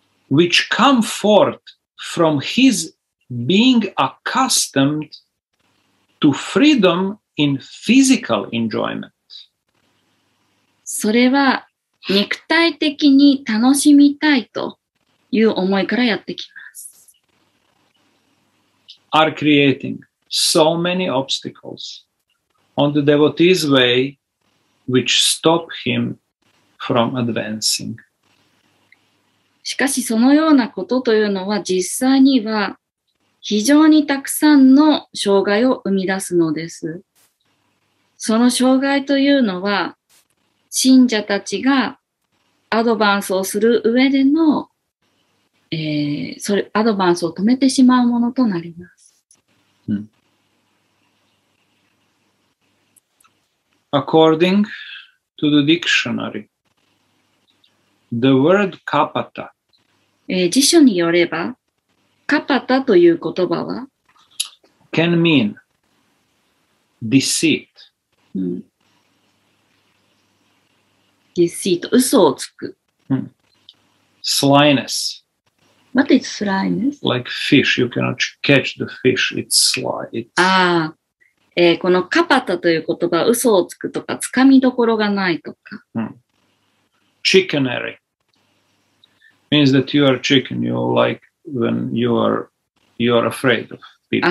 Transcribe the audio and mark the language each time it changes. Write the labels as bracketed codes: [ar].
[en] Which come forth from his being accustomed. To freedom in physical enjoyment. [ja] それは肉体的に楽しみたいという思いからやってきます。 [en] are creating so many obstacles on the devotee's way which stop him from advancing. [ja] しかしそのようなことというのは実際には非常にたくさんの障害を生み出すのです。その障害というのは信者たちがアドバンスをする上での、それアドバンスを止めてしまうものとなります。 [en] According to the dictionary, the word kapata [ja] 辞書によれば、カパタという言葉は [en] can mean deceit. [ja] deceit, 嘘をつく。 [en] slyness. What is slyness? Like fish, you cannot catch the fish, it's sly. [ja] このカパタという言葉、嘘をつくとか、つかみどころがないとか。 [en] chickenery. Means that you are chicken, you like when you are afraid of people.